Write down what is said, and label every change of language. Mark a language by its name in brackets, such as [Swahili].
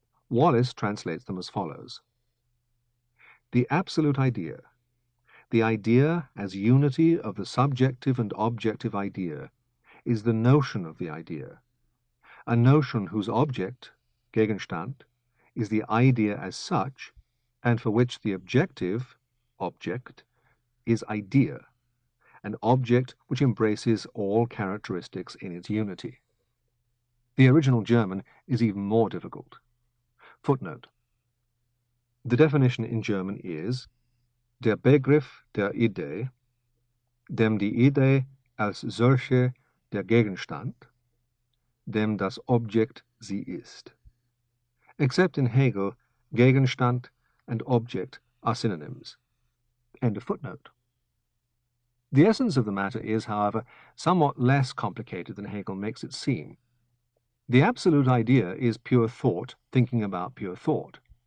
[English] Wallace translates them as follows. The absolute idea, the idea as unity of the subjective and objective idea, is the notion of the idea, a notion whose object, Gegenstand, is the idea as such, and for which the objective, object, is idea, an object which embraces all characteristics in its unity. The original German is even more difficult. Footnote. The definition in German is [German] der Begriff der Idee, dem die Idee als solche der Gegenstand, dem das Objekt sie ist. [English] Except in Hegel, Gegenstand and object are synonyms. End of footnote. The essence of the matter is, however, somewhat less complicated than Hegel makes it seem. The absolute idea is pure thought, thinking about pure thought.